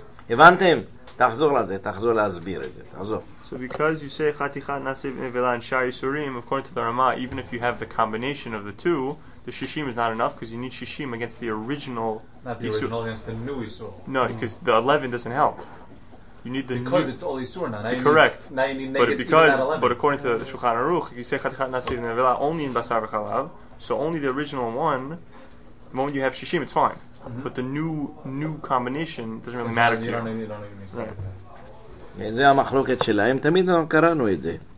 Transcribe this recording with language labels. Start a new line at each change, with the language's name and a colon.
Hebrew: הבנתם? תחזור לזה, תחזור להסביר את זה, תחזור.
English: So because you say chaticha nasiv nevela and shari surim, according to the Rama, even if you have the combination of the two, the shishim is not enough because you need shishim against the original. Not the original against the new isur. No, because the 11 doesn't help. You need the because new, it's all isur now. Correct. Now you need but because but according to the Shulchan Aruch, you say chaticha nasiv nevela only in basar v'chalav, so only the original one. The moment you have shishim, it's fine. Mm-hmm. But the new combination doesn't really matter to you.
Hebrew: זה המחלוקת שלהם, תמיד אנחנו קראנו את זה.